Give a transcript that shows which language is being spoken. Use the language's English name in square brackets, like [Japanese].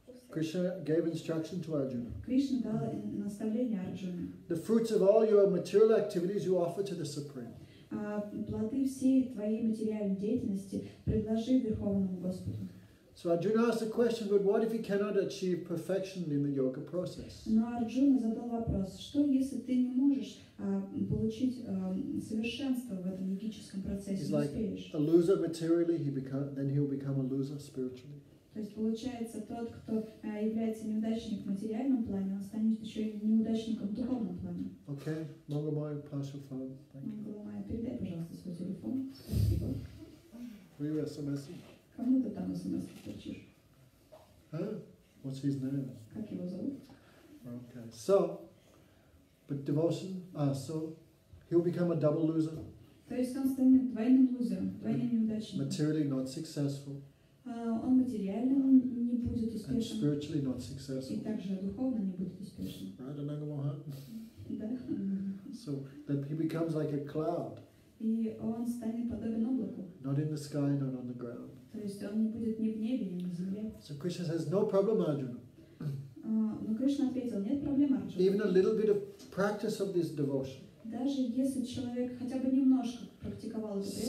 [English] Krishna gave instruction to Arjuna. [Russian] Krishna дал наставление Арджуне. [English] The fruits of all your material activities you offer to the Supreme. [Russian] Плоды всей твоей материальной деятельности предложи Верховному Господу. [English] So Arjuna asked the question, but what if he cannot achieve perfection in the yoga process? [Russian] Но Арджуна задал вопрос: что если ты не можешь получить совершенство в этом йогическом процессе? [English] He's like a loser materially, he'll become a loser spiritually. [Russian] То есть получается, тот, кто является неудачником в материальном плане, он станет еще и неудачником в духовном плане. [English] Okay, Mongol Maya, pass your phone. [Russian] Mongol Maya, передай, пожалуйста, свой телефон. Спасибо. [English] Were you SMSing? [Russian] Кому ты там SMS-ки торчишь? [English] Huh? What's his name? [Russian] Как его зовут? [English] Okay, so, but devotion, so, he'll become a double loser. [Russian] То есть он станет двойным лузером, двойным неудачником. [English] Materially not successful. [Russian] Он материально не будет успешным. [English] And spiritually not successful. [Russian] И также духовно не будет успешным. [English] Right, Anangamoha? [Russian] Да. [English] So, that he becomes like a cloud. [Russian] И он станет подобен облаку. [English] Not in the sky, not on the ground. [Russian] То есть он не будет ни в небе, ни на земле. [English] So Krishna says, no problem, Arjuna. [Russian] Но Кришна ответил, нет проблем, Арджуна. [English] Even a little bit of practice of this devotion. [Russian] Даже если человек хотя бы немножко практиковал эту преданность.